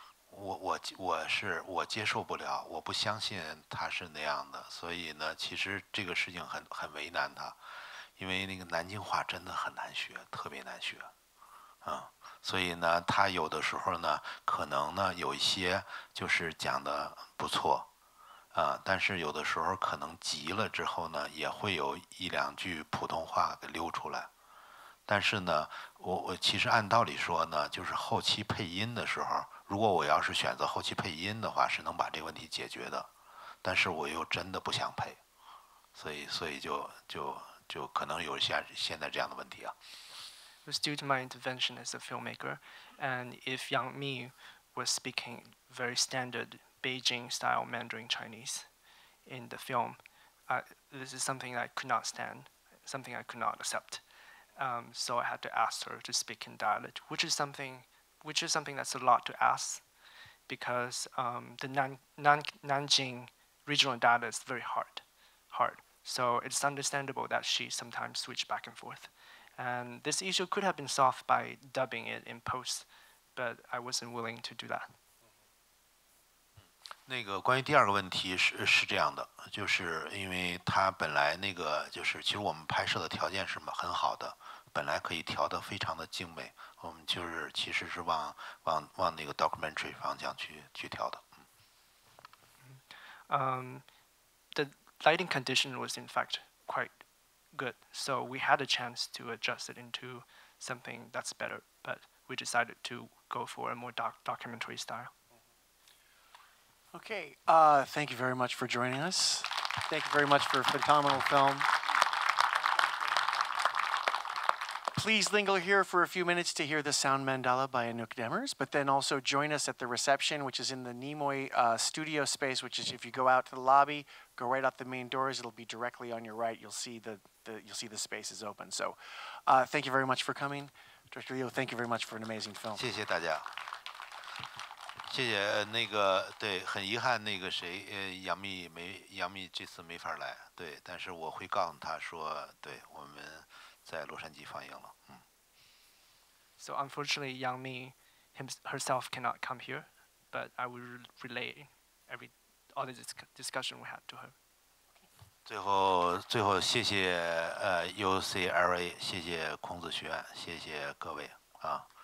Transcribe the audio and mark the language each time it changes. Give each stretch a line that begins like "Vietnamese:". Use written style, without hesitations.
Chinese: 我接受不了，我不相信他是那样的，所以呢，其实这个事情很为难他，因为那个南京话真的很难学，特别难学，所以呢，他有的时候呢，可能呢有一些就是讲的不错，但是有的时候可能急了之后呢，也会有一两句普通话给溜出来，但是呢，我其实按道理说呢，就是后期配音的时候。如果我要是选择后期配音的话，是能把这个问题解决的，但是我又真的不想配，所以就可能有现在这样的问题啊。
English: It was due to my intervention as a filmmaker, and if Yang Mi was speaking very standard Beijing style Mandarin Chinese in the film, this is something I could not stand, something I could not accept. So I had to ask her to speak in dialect, which is something that's a lot to ask, because the Nanjing regional dialect is very hard. So it's understandable that she sometimes switch back and forth. And this issue could have been solved by dubbing it in post, but I wasn't willing to do that.
Chinese: 那个关于第二个问题是这样的，就是因为他本来那个就是其实我们拍摄的条件是很好的，本来可以调得非常的精美。我们就是其实是往那个 documentary 方向去调的。
English: The lighting condition was in fact quite good, so we had a chance to adjust it into something that's better, but we decided to go for a more documentary style. Okay, thank you very much for joining us. Thank you very much for a phenomenal film. Please linger here for a few minutes to hear the sound mandala by Anouk Demers, but then also join us at the reception, which is in the Nimoy studio space, which is if you go out to the lobby, go right out the main doors, it'll be directly on your right. You'll see the space is open. So thank you very much for coming. Director Liu, thank you very much for an amazing film. Thank you.
Chinese: 谢谢，那个对，很遗憾，那个谁，杨幂这次没法来，对，但是我会告诉他说，对，我们在洛杉矶放映了，嗯。
English: So unfortunately, Yang Mi herself cannot come here, but I will relay all the discussion we had to her.
Chinese: 最后谢谢UCLA, 谢谢孔子学院，谢谢各位啊。